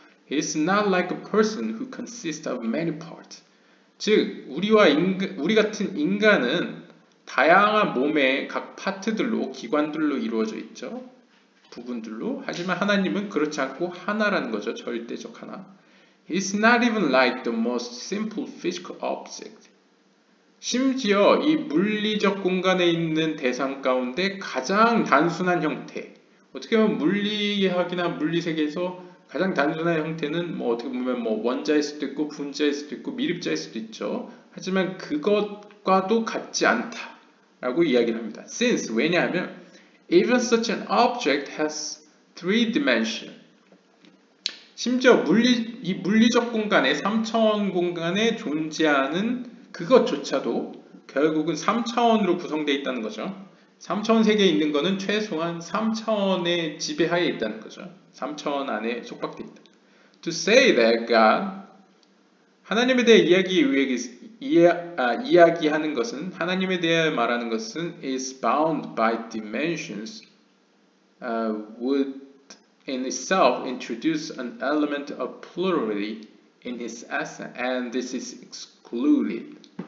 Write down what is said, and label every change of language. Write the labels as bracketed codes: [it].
[en] He is not like a person who consists of many parts. [ko] 즉, 우리 같은 인간은 다양한 몸의 각 파트들로, 기관들로 이루어져 있죠. 부분들로. 하지만 하나님은 그렇지 않고 하나라는 거죠. 절대적 하나. [en] He is not even like the most simple physical object. [ko] 심지어 이 물리적 공간에 있는 대상 가운데 가장 단순한 형태. 어떻게 보면 물리학이나 물리세계에서 가장 단순한 형태는 뭐 어떻게 보면 뭐 원자일 수도 있고 분자일 수도 있고 미립자일 수도 있죠. 하지만 그것과도 같지 않다라고 이야기를 합니다. [en] Since, [ko] 왜냐하면 [en] Even such an object has three dimensions. [ko] 심지어 이 물리적 공간에, 3차원 공간에 존재하는 그것조차도 결국은 3차원으로 구성되어 있다는 거죠. 3차원 세계에 있는 것은 최소한 3차원의 지배하에 있다는 거죠. 3차원 안에 속박되어 있다. [en] To say that God, [ko] 하나님에 대해 이야기하는 것은 하나님에 대해 말하는 것은 [en] is bound by dimensions would in itself introduce an element of plurality in his essence and this is excluded.